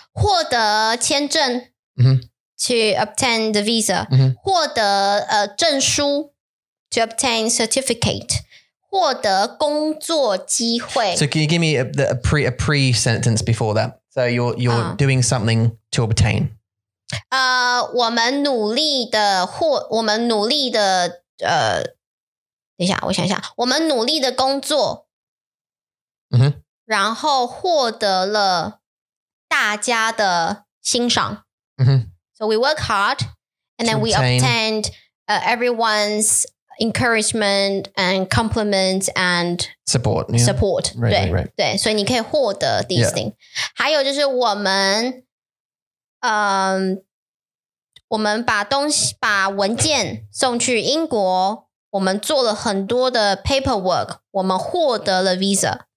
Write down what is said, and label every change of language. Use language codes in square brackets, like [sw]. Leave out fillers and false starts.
[zh] 获得签证、 mm-hmm. [en] to obtain the visa,、 mm-hmm. [zh] 获得、证书 [en] to obtain certificate, [zh] 获得工作机会 [en] So can you give me a pre-sentence before that? So you're、doing something to obtain. [zh] 我们努力的获我们努力的等一下我想一下我们努力的工作、 mm-hmm. 然后获得了大家的欣赏、 mm-hmm. [en] So we work hard and then we obtained、everyone's encouragement and compliments and support、yeah. support right, [zh] 对 [en] right, right. [zh] 对所以你可以获得 [en] these、yeah. things [zh] 还有就是我们我们把东西把文件送去英国我们做了很多的 paperwork 我们获得了 visa